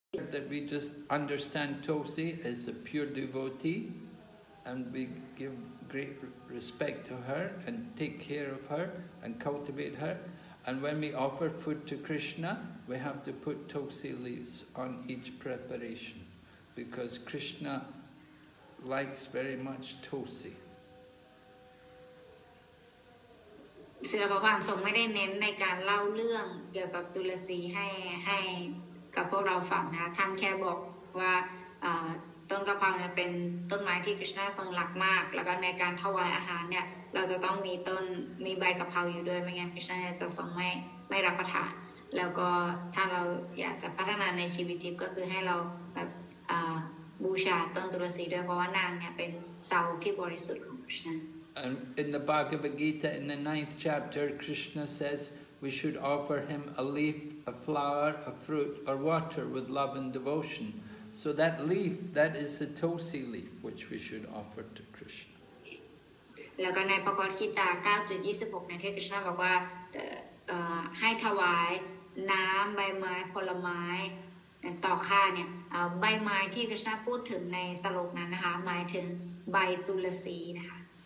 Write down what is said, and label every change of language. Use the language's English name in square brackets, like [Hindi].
[English] That we just understand Tulsi as a pure devotee, and we give great respect to her, and take care of her, and cultivate her. And when we offer food to Krishna, we have to put Tulsi leaves on each preparation, because Krishna likes very much Tulsi. [Thai] ศิลปะวันทรงไม่ได้เน้นในการเล่าเรื่องเกี่ยวกับตุลสีให้กับพวกเราฟังนะท่านแค่บอกว่าต้นกระเพราเนี่ยเป็นต้นไม้ที่คริสต์นาทรงรักมากแล้วก็ในการถวายอาหารเนี่ยเราจะต้องมีต้นมีใบกระเพราอยู่ด้วยไม่งั้นคริสต์นาจะทรงไม่รับประทานแล้วก็ถ้าเราอยากจะพัฒนาในชีวิตทิพย์ก็คือให้เราแบบบูชาต้นตุลสีด้วยเพราะว่านางเนี่ยเป็นสาวกที่บริสุทธิ์ของคริสต์นา [English] And in the Bhagavad Gita, in the 9th chapter, Krishna says we should offer him a leaf, a flower, a fruit, or water with love and devotion. So that leaf, that is the Tulsi leaf which we should offer to Krishna. And in the Bhagavad Gita, 9.26, Krishna says [Thai] ให้ถวายน้ำใบไม้ผลไม้ต่อข้าเนี่ยใบไม้ที่ Krishna พูดถึงในสโลกนั้นนะคะหมายถึงใบตุลสีนะคะ